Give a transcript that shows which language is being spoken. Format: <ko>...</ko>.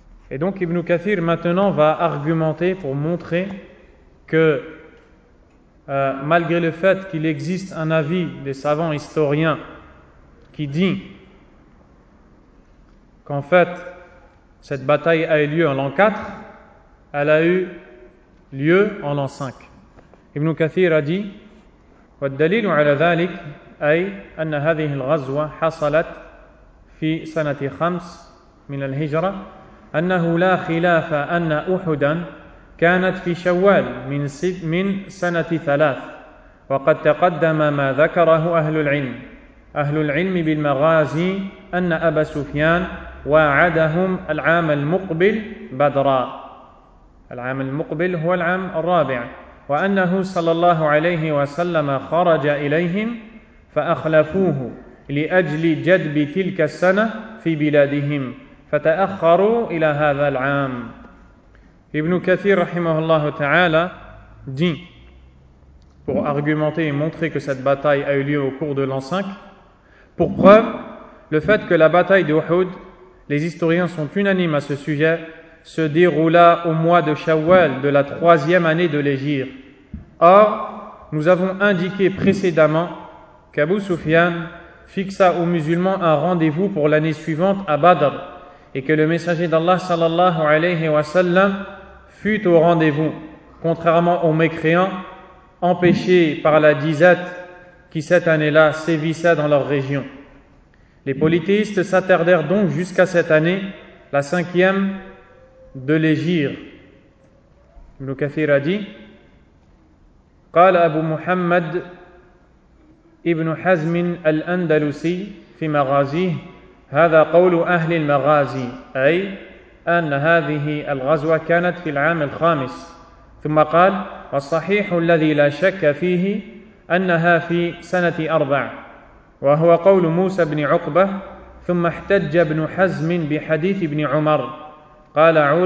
<fr>Et donc Ibn Kathir maintenant va argumenter pour montrer que malgré le fait qu'il existe un avis des savants historiens qui dit qu'en fait cette bataille a eu lieu en l'an 4, elle a eu lieu en l'an 5. Ibn Kathir a dit</fr> <ar>« وَالدَّلِيلُ عَلَى ذَلِكَ أَيْ أَنَّ هَذِهِ الْغَزْوَ حَصَلَتْ في سنة 5 من الهجرة أنه لا خلاف أن أحدا كانت في شوال من سنة 3 وقد تقدم ما ذكره أهل العلم بالمغازي أن أبا سفيان وعدهم العام المقبل بدرا العام المقبل هو العام الرابع وأنه صلى الله عليه وسلم خرج إليهم فأخلفوه لأجل جذب تلك السنة في بلادهم فتأخروا إلى هذا العام.</ar> <fr>Ibn Kathir rahimahullah ta'ala dit, pour argumenter et montrer que cette bataille a eu lieu au cours de l'an 5, pour preuve, le fait que la bataille d'Uhud, les historiens sont unanimes à ce sujet, se déroula au mois de Shawwal de la 3e année de l'Hégire. Or, nous avons indiqué précédemment qu'Abu Sufyan fixa aux musulmans un rendez-vous pour l'année suivante à Badr et que le messager d'Allah sallallahu alayhi wa sallam fut au rendez-vous, contrairement aux mécréants empêchés par la disette qui cette année-là sévissa dans leur région. Les polythéistes s'attardèrent donc jusqu'à cette année, la 5e de l'Hégire. Ibn Kathir a dit</fr> <ar>قال أبو محمد ابن حزم الأندلسي في مغازيه هذا قول أهل المغازي أي أن هذه الغزوة كانت في العام الخامس ثم قال والصحيح الذي لا شك فيه أنها في سنة أربع وهو قول موسى بن عقبة ثم احتج ابن حزم بحديث ابن عمر قال</ar>